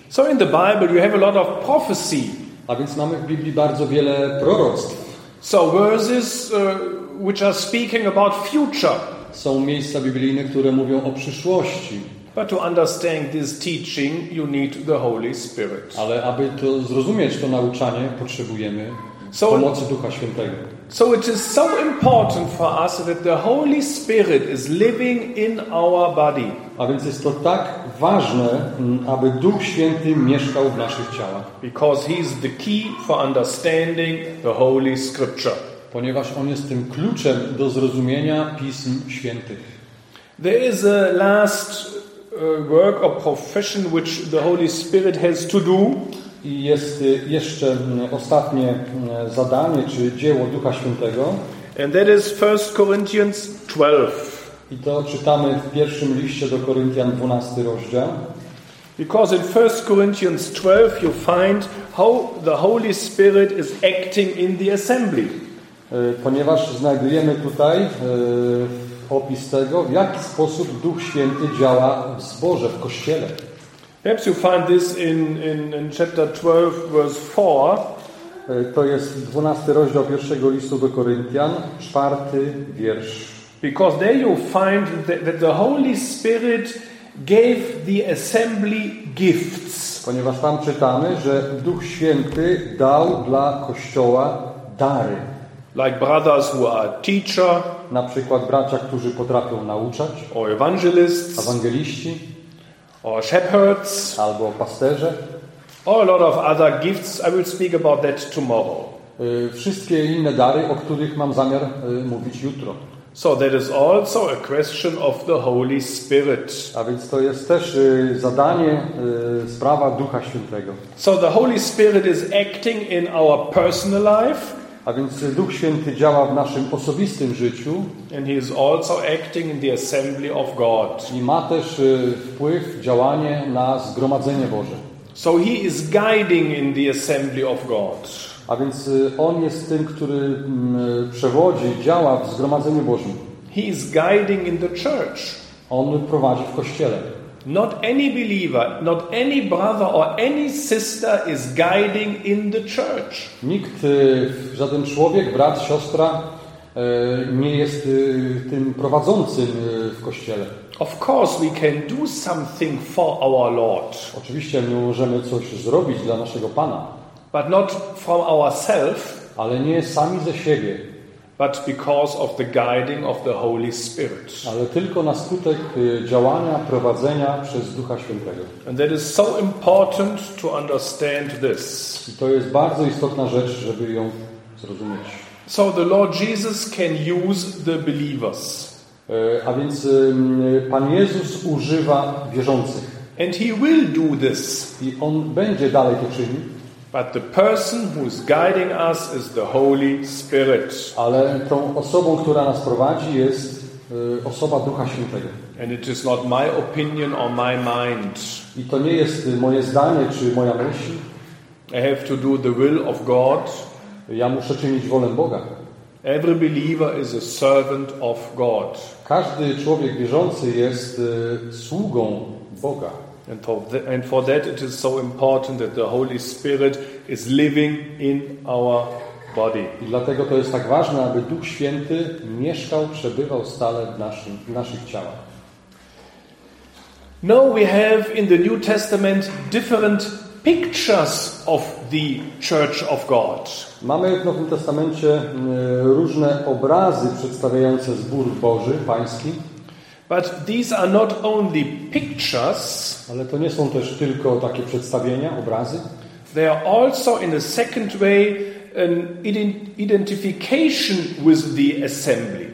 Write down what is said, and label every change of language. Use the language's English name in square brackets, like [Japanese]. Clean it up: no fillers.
[English] So in the Bible you have a lot of prophecy. [Polish] A więc mamy w Biblii bardzo wiele proroctw. [English] So verses which are speaking about future. [Polish] Są miejsca biblijne, które mówią o przyszłości. [English] But to understand this teaching, you need the Holy Spirit. [Polish] Ale aby to zrozumieć, to nauczanie, potrzebujemy pomocy Ducha Świętego. [English] So it is so important for us that the Holy Spirit is living in our body. [Polish] A więc jest to tak ważne, aby Duch Święty mieszkał w naszych ciałach. [English] Because he is the key for understanding the Holy Scripture. [Polish] Ponieważ on jest tym kluczem do zrozumienia Pism Świętych. [English] There is a last work or profession which the Holy Spirit has to do. [Polish] I jest jeszcze ostatnie zadanie czy dzieło Ducha Świętego. [English] And that is 1 Corinthians 12. [Polish] I to czytamy w pierwszym liście do Koryntian 12 rozdział. [English] Because in 1 Corinthians 12 you find how the Holy Spirit is acting in the assembly. [Polish] Ponieważ znajdujemy tutaj opis tego, w jaki sposób Duch Święty działa w zborze, w kościele. [English] Perhaps you find this in chapter 12, verse 4. [Polish] To jest 12 rozdział pierwszego listu do Koryntian, 4 wiersz. [English] Because there you find that the Holy Spirit gave the assembly gifts. [Polish] Ponieważ tam czytamy, że Duch Święty dał dla kościoła dary. [English] Like brothers who are teacher, [Polish] na przykład bracia, którzy potrafią nauczać, [English] or evangelists, [Polish] ewangeliści, [English] or shepherds, [Polish] albo pasterze, [English] or a lot of other gifts. I will speak about that tomorrow. [Polish] Wszystkie inne dary, o których mam zamiar mówić jutro. [English] So that is also a question of the Holy Spirit. [Polish] A więc to jest też zadanie, sprawa Ducha Świętego. [English] So the Holy Spirit is acting in our personal life. [Polish] A więc Duch Święty działa w naszym osobistym życiu. [English] And he is also acting in the assembly of God. [Polish] I ma też wpływ, działanie na zgromadzenie Boże. [English] So he is guiding in the assembly of God. [Polish] A więc on jest tym, który przewodzi, działa w zgromadzeniu Bożym. [English] He is guiding in the church. [Polish] On prowadzi w kościele. [English] Not any believer, not any brother or any sister is guiding in the church. [Polish] Nikt, żaden człowiek, brat, siostra nie jest tym prowadzącym w kościele. [English] Of course we can do something for our Lord. [Polish] Oczywiście my możemy coś zrobić dla naszego Pana. [English] But not from ourselves, [Polish] ale nie sami ze siebie. [English] But because of the guiding of the Holy Spirit. [Polish] Ale tylko na skutek działania, prowadzenia przez Ducha Świętego. [English] And that is so important to understand this. [Polish] I to jest bardzo istotna rzecz, żeby ją zrozumieć. [English] So the Lord Jesus can use the believers. [Polish] A więc Pan Jezus używa wierzących. [English] And he will do this. [Polish] I on będzie dalej to czynił. [English] But the person who is guiding us is the Holy Spirit. [Polish] Ale tą osobą, która nas prowadzi, jest osoba Ducha Świętego. [English] And it is not my opinion or my mind. [Polish] I to nie jest moje zdanie czy moja myśl. [English] I have to do the will of God. [Polish] Ja muszę czynić wolę Boga. [English] Every believer is a servant of God. [Polish] Każdy człowiek wierzący jest sługą Boga. [English] And for that it is so important that the Holy Spirit is living in our body. [Polish] I dlatego to jest tak ważne, aby Duch Święty mieszkał, przebywał stale w naszych ciałach. [English] Now we have in the New Testament different pictures of the Church of God. [Polish] Mamy w Nowym Testamencie różne obrazy przedstawiające zbór Boży, Pański. [English] But these are not only pictures. [Polish] Ale to nie są też tylko takie przedstawienia, obrazy. [English] They are also in a second way an identification with the assembly.